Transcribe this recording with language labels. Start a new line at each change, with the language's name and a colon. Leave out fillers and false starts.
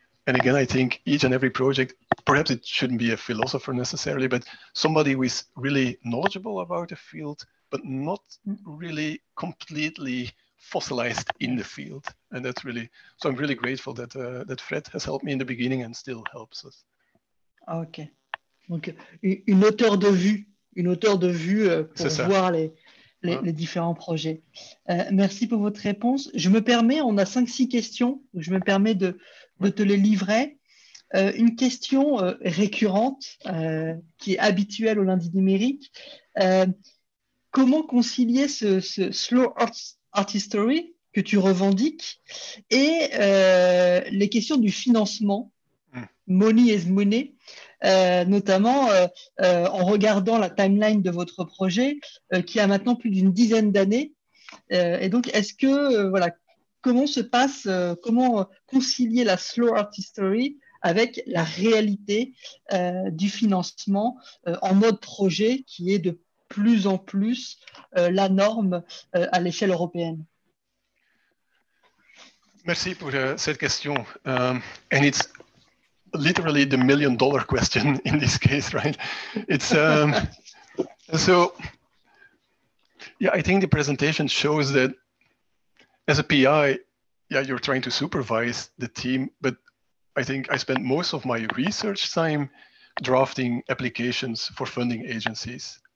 English: And again, I think each and every project, perhaps it shouldn't be a philosopher necessarily, but somebody who is really knowledgeable about a field, but not really completely fossilized in the field. And that's really, so I'm really grateful that that Fred has helped me in the beginning and still helps us. Okay.
French: Donc, une hauteur de vue pour voir les différents projets. Merci pour votre réponse. Je me permets, on a 5-6 questions, donc je me permets de te les livrer. Une question récurrente qui est habituelle au lundi numérique. Comment concilier ce slow art history que tu revendiques et les questions du financement,
English: money is money,
French: notamment en regardant la timeline de votre projet qui a maintenant plus d'une dizaine d'années. Et donc, est-ce que, comment se passe, comment concilier la slow art history avec la réalité du financement en mode projet qui est de plus en plus la norme à l'échelle européenne. Merci pour cette question.
English: And it's literally the million-dollar question in this case, right? It's I think the presentation shows that as a PI, you're trying to supervise the team, but I think I spent most of my research time drafting applications for funding agencies.